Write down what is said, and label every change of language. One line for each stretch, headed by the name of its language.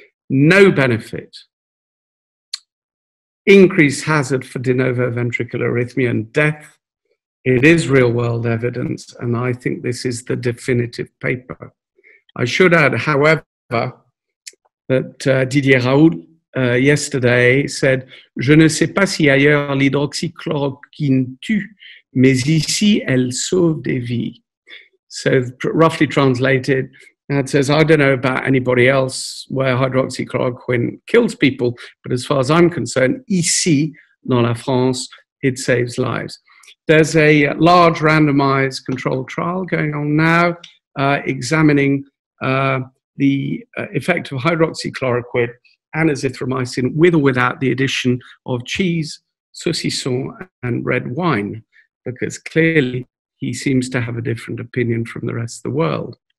English: No benefit. Increased hazard for de novo ventricular arrhythmia and death. It is real-world evidence, and I think this is the definitive paper. I should add, however, that Didier Raoult yesterday said,
French: je ne sais pas si ailleurs l'hydroxychloroquine tue, mais ici elle sauve des vies.
English: So roughly translated, that says, I don't know about anybody else where hydroxychloroquine kills people, but as far as I'm concerned,
French: ici, dans la France,
English: it saves lives. There's a large randomized controlled trial going on now examining the effect of hydroxychloroquine and azithromycin with or without the addition of cheese, saucisson, and red wine, because clearly he seems to have a different opinion from the rest of the world.